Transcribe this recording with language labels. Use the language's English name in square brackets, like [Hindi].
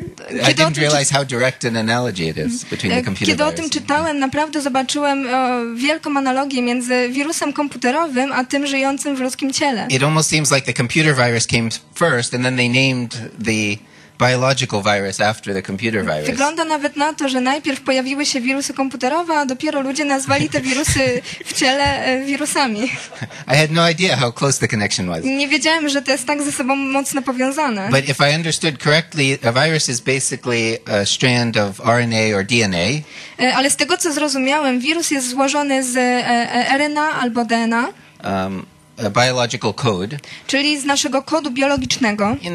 [English] I didn't realize how direct an analogy it is between the computer virus. [Polish] Kiedy o tym czytałem, naprawdę zobaczyłem wielką analogię między wirusem komputerowym a tym żyjącym w ludzkim ciele. [English] It almost seems like the computer virus came first and then they named the biological virus after the computer virus. [Polish] Wygląda nawet na to, że najpierw pojawiły się wirusy komputerowe, a dopiero ludzie nazwali te wirusy w ciele wirusami. [English] I had no idea how close the connection was. [Polish] Nie wiedziałem, że to jest tak ze sobą mocno powiązane. [English] But if I understood correctly, a virus is basically a strand of RNA or DNA. [Polish] Ale z tego co zrozumiałem, wirus jest złożony z RNA albo DNA. [English] A biological code. [Polish] Czyli z naszego kodu biologicznego.